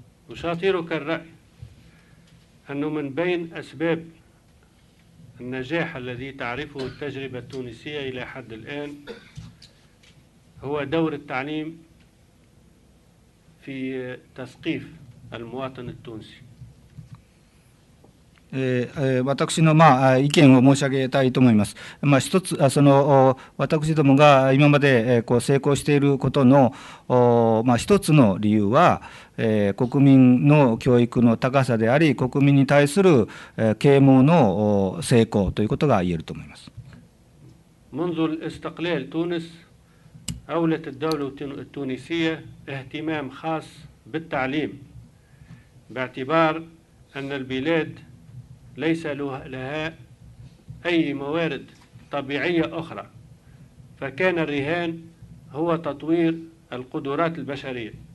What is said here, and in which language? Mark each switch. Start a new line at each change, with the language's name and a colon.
Arabic: أشاطرك الرأي أنه من بين أسباب النجاح الذي تعرفه التجربة التونسية إلى حد الآن هو دور التعليم في تثقيف المواطن التونسي.
Japanese: 私のまあ意見を申し上げたいと思います。まあ、一つその私どもが今までこう成功していることの、まあ、一つの理由は国民の教育の高さであり国民に対する啓蒙の成功ということが言えると思います。
Arabic: منذ الاستقلال تونس أولت الدولة التونسية اهتمام خاص بالتعليم باعتبار أن البلاد ليس لها أي موارد طبيعية أخرى، فكان الرهان هو تطوير القدرات البشرية.